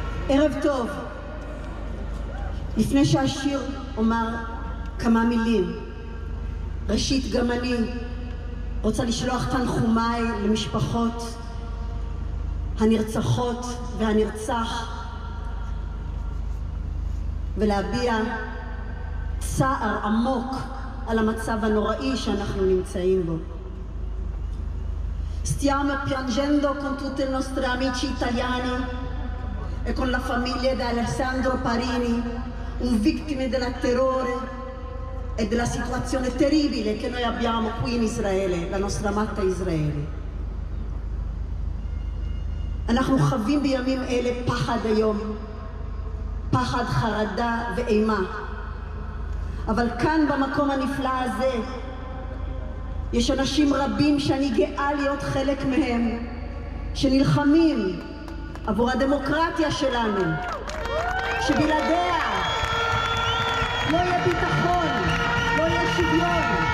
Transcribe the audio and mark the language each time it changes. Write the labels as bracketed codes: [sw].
[he] ערב טוב. לפני שהשיר אומר כמה מילים, ראשית גם אני רוצה לשלוח תנחומיי למשפחות הנרצחות והנרצח ולהביע צער עמוק על המצב הנוראי שאנחנו נמצאים בו. [it] Stiamo piangendo con tutti i nostri amici italiani e con la famiglia di Alessandro Parini, un vittime del terrore e della situazione terribile che noi abbiamo qui in Israele, la nostra amata Israele. [he] אנחנו חווים בימים אלה פחד היום, פחד, חרדה ואימה. אבל כאן במקום הנפלא הזה יש אנשים רבים שאני גאה להיות חלק מהם, שנלחמים עבור הדמוקרטיה שלנו, שבלעדיה לא יהיה ביטחון, לא יהיה שוויון.